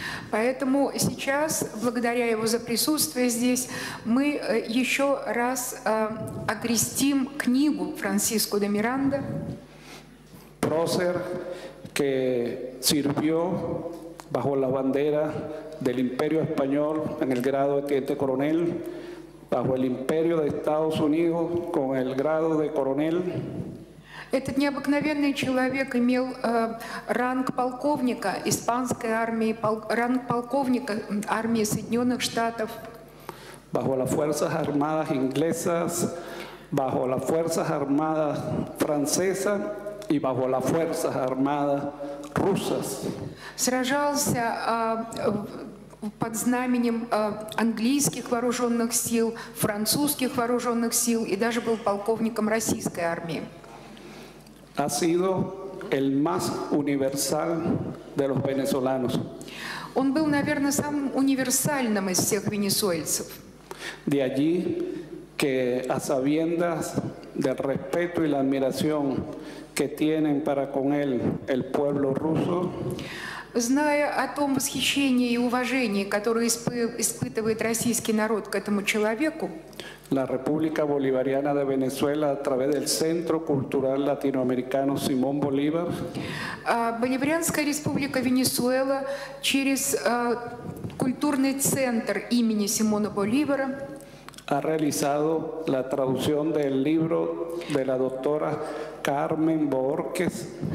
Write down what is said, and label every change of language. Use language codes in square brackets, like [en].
[ru] Поэтому сейчас, благодаря его за присутствие здесь, мы еще раз окрестим книгу Франциско де Миранда. [es] Прócer, que sirvió bajo la bandera del Imperio Español en el grado de teniente coronel, bajo el Imperio de Estados Unidos con el grado de coronel. [ru] Этот необыкновенный человек имел ранг полковника испанской армии, ранг полковника армии Соединенных Штатов. [es] Bajo las fuerzas armadas inglesas, bajo las fuerzas armadas francesas y bajo las fuerzas armadas rusas. [ru] Сражался под знаменем английских вооруженных сил, французских вооруженных сил и даже был полковником российской армии. [es] Ha sido el más universal de los venezolanos. [ru] Он был, наверное, самым универсальным из всех венесуэльцев. [es] De allí que a sabiendas del respeto y la admiración que tienen para con él el pueblo ruso, [ru] зная о том восхищении и уважении, которое испытывает российский народ к этому человеку, [es] la República Bolivariana de Venezuela a través del Centro Cultural Latinoamericano Simón Bolívar. [ru] Боливарианская Республика Венесуэла через культурный центр имени Симона Боливара [es] ha realizado la traducción del libro de la doctora Carmen Borges.